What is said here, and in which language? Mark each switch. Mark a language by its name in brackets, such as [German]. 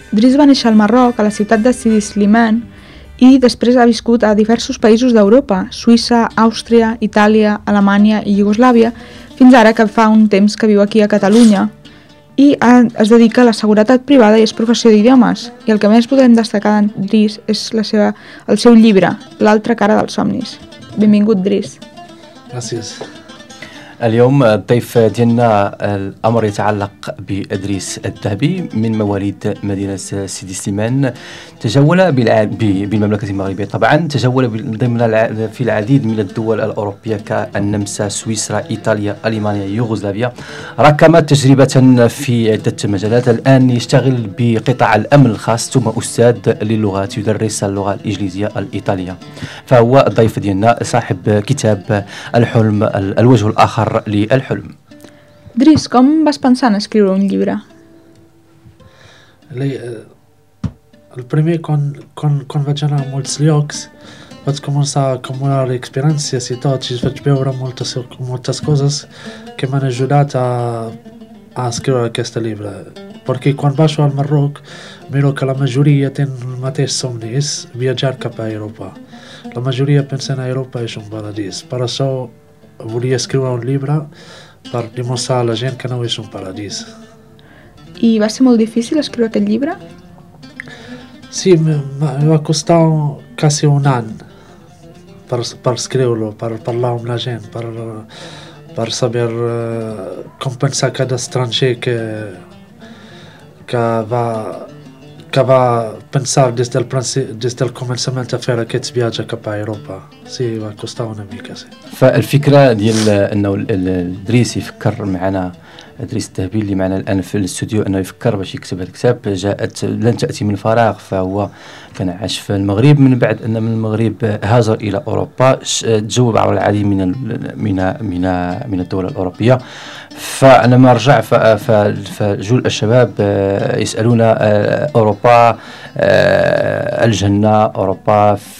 [Catalan] Driss va néixer al Marroc, a la ciutat de Sidi Slimane, i després ha viscut a diversos països d'Europa, Suïssa, Àustria, Itàlia, Alemanya i Iugoslàvia, fins ara que fa un temps que viu aquí a Catalunya, i es dedica a la seguretat privada i és professor d'idiomes. I el que més podem destacar d'en Driss és el seu llibre, L'altra cara dels somnis. Benvingut, Driss. Gràcies. [Arabic] اليوم الضيف ديالنا الامر يتعلق بادريس الذهبي من مواليد مدينه سيدي سليمان تجول بالمملكه المغربيه طبعا تجول ضمن في العديد من الدول الاوروبيه كالنمسا سويسرا ايطاليا المانيا يوغوسلافيا ركم تجربه في عده مجالات الان يشتغل بقطاع الامن الخاص ثم استاذ للغات يدرس اللغه الانجليزيه الايطاليه فهو الضيف ديالنا صاحب كتاب الحلم الوجه الاخر للحلم. [Catalan] Driss, com vas pensar en escriure un llibre? El primer, quan vaig anar a molts llocs, vaig començar a acumular experiències i tot, i vaig veure moltes coses que m'han ajudat a escriure aquest llibre. Perquè quan baixo al Marroc, miro que la majoria té el mateix somni, és viatjar cap a Europa. La majoria pensa que Europa és un paradís, per això volia escriure un llibre per demostrar a la gent que no és un paradís. I va ser molt difícil escriure aquest llibre? Sí, em va costar quasi un any per escriure-lo, per parlar amb la gent, per saber com pensar cada estranger que va pensar des del començament a fer aquest viatge cap a Europa. Sí, va costar una mica, sí. [Arabic] الفكرة ديال أنه الدريس يفكر معنا الدريس الذهبي اللي معنا الآن في الاستوديو أنه يفكر باش يكتب الكتاب جاءت لن تأتي من فراغ فهو كان عاش في المغرب من بعد أن من المغرب هاجر إلى أوروبا تجول عبر العديد من من من من الدول الأوروبية فعندما رجع فجول الشباب يسألون أوروبا الجنة أوروبا